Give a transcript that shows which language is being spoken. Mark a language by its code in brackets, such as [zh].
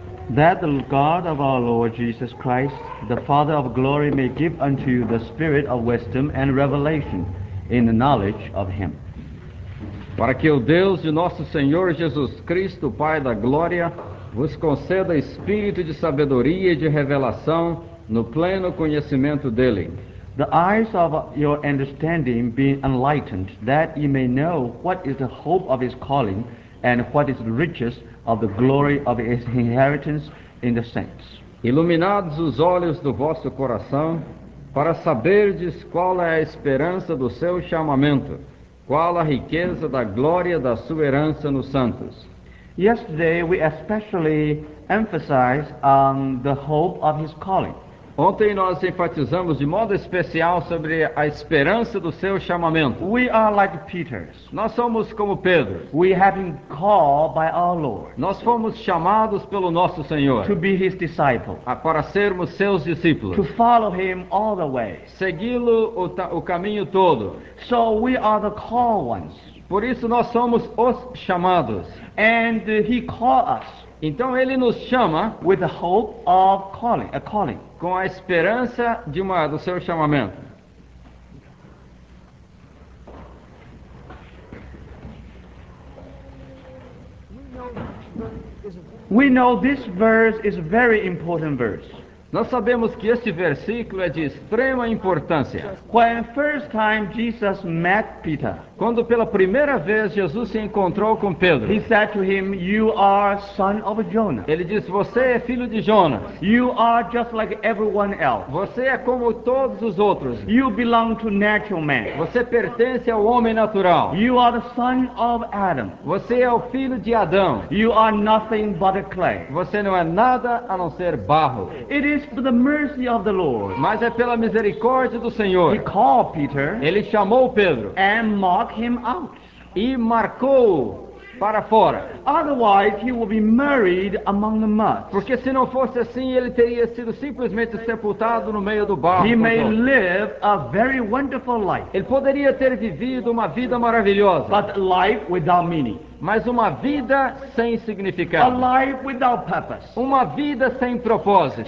[en] That the God of our Lord Jesus Christ, the Father of glory, may give unto you the spirit of wisdom and revelation in the knowledge of him. [pt] Para que o Deus de nosso Senhor Jesus Cristo, Pai da glória, vos conceda espírito de sabedoria e de revelação no pleno conhecimento dele. [en] The eyes of your understanding being enlightened, that ye may know what is the hope of his calling, and what is the riches of the glory of his inheritance in the saints. [pt] Iluminados os olhos do vosso coração, para saberdes qual é a esperança do seu chamamento, qual a riqueza da glória da sua herança nos santos. [en] Yesterday we especially emphasized on the hope of his calling. [pt] Ontem nós enfatizamos de modo especial sobre a esperança do seu chamamento. [en] We are like Peter. [pt] Nós somos como Pedro. [en] We have been called by our Lord. [pt] Nós fomos chamados pelo nosso Senhor. [en] To be his disciple. [pt] Para sermos seus discípulos. [en] To follow him all the way. [pt] Segui-lo o caminho todo. [en] So we are the called ones. [pt] Por isso nós somos os chamados. [en] And he called us. [pt] Então ele nos chama [en] with the hope of calling, a calling. [pt] Com a esperança de do seu chamamento. [en] We know this verse is a very important verse. [pt] Nós sabemos que este versículo é de extrema importância. [en] When first time Jesus met Peter, [pt] quando pela primeira vez Jesus se encontrou com Pedro, [en] he said to him, "You are son of Jonah." [pt] Ele disse, você é filho de Jonas. [en] "You are just like everyone else." [pt] Você é como todos os outros. [en] "You belong to natural man." [pt] Você pertence ao homem natural. [en] "You are the son of Adam." [pt] Você é o filho de Adão. [en] "You are nothing but a clay." [pt] Você não é nada a não ser barro. [en] It is for the mercy of the Lord. [pt] Mas é pela misericórdia do Senhor. [en] He called Peter. [pt] Ele chamou Pedro. [en] And marked him out. [pt] E marcou para fora. [en] Otherwise, he would be married among the mud. [pt] Porque se não fosse assim, ele teria sido simplesmente sepultado no meio do barro. [en] He may live a very wonderful life. [pt] Ele poderia ter vivido uma vida maravilhosa. [en] But life without meaning. [pt] Mas uma vida sem significado. [en] A life without purpose. [pt] Uma vida sem propósito.